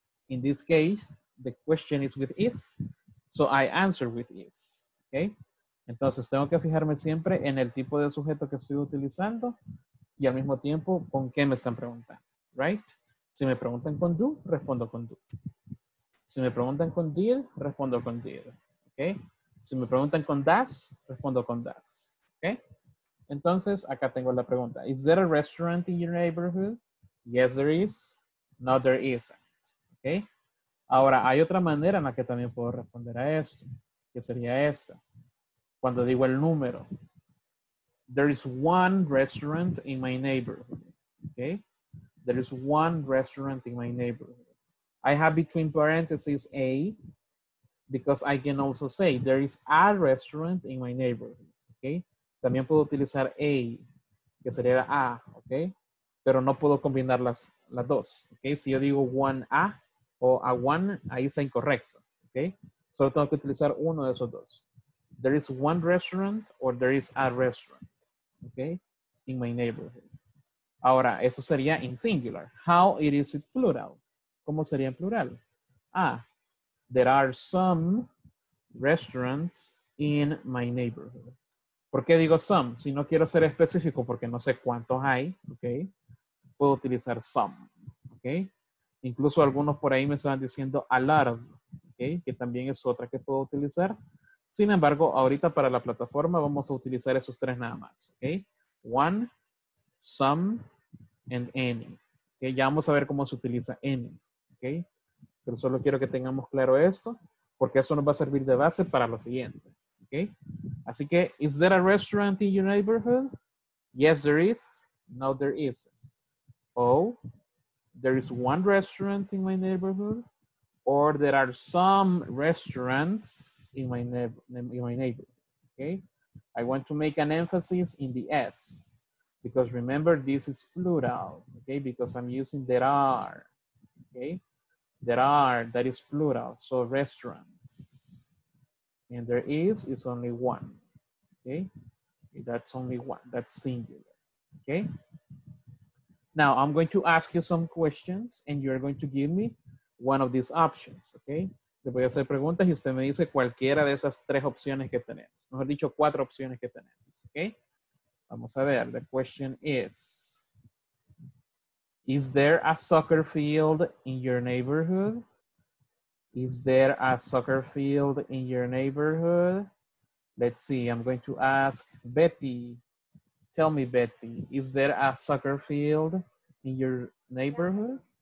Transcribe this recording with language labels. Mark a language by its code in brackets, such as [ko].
[en] In this case, the question is with is. So I answer with is. Okay? [es] Entonces, tengo que fijarme siempre en el tipo de sujeto que estoy utilizando y al mismo tiempo, ¿con qué me están preguntando? Right? Si me preguntan con do, respondo con do. Si me preguntan con did, respondo con did. Okay? Si me preguntan con does, respondo con does. Okay? Entonces, acá tengo la pregunta. [en] Is there a restaurant in your neighborhood? Yes, there is. No, there isn't. Okay? [es] Ahora, hay otra manera en la que también puedo responder a esto, que sería esta. Cuando digo el número, [en] there is one restaurant in my neighborhood, okay? There is one restaurant in my neighborhood. I have between parentheses A, because I can also say, there is a restaurant in my neighborhood, okay? [es] También puedo utilizar A, que sería A, okay? Pero no puedo combinar las dos, okay? Si yo digo one A o a one, ahí está incorrecto, okay? Solo tengo que utilizar uno de esos dos. [en] There is one restaurant or there is a restaurant, okay, in my neighborhood. [es] Ahora, esto sería [en] in singular. How is it plural? [es] ¿Cómo sería en plural? [en] Ah, there are some restaurants in my neighborhood. [es] ¿Por qué digo some? Si no quiero ser específico porque no sé cuántos hay, okay, puedo utilizar some, okay. Incluso algunos por ahí me estaban diciendo [en] a lot of, [es] okay, que también es otra que puedo utilizar. Sin embargo, ahorita para la plataforma vamos a utilizar esos tres nada más, okay? [en] One, some, and any. Okay? [es] Ya vamos a ver cómo se utiliza any, okay? Pero solo quiero que tengamos claro esto, porque eso nos va a servir de base para lo siguiente, okay? Así que, [en] is there a restaurant in your neighborhood? Yes, there is. No, there isn't. Oh, there is one restaurant in my neighborhood. Or there are some restaurants in my neighbor. Okay? I want to make an emphasis in the S. Because remember, this is plural. Okay? Because I'm using there are. Okay? There are, that is plural. So restaurants. And there is only one. Okay? That's only one. That's singular. Okay? Now, I'm going to ask you some questions and you're going to give me one of these options, okay? [es] Le voy a hacer preguntas y usted me dice cualquiera de esas tres opciones que tenemos. Mejor dicho, cuatro opciones que tenemos, okay? Vamos a ver, [en] the question is there a soccer field in your neighborhood? Is there a soccer field in your neighborhood? Let's see, I'm going to ask Betty. Tell me, Betty, is there a soccer field in your neighborhood?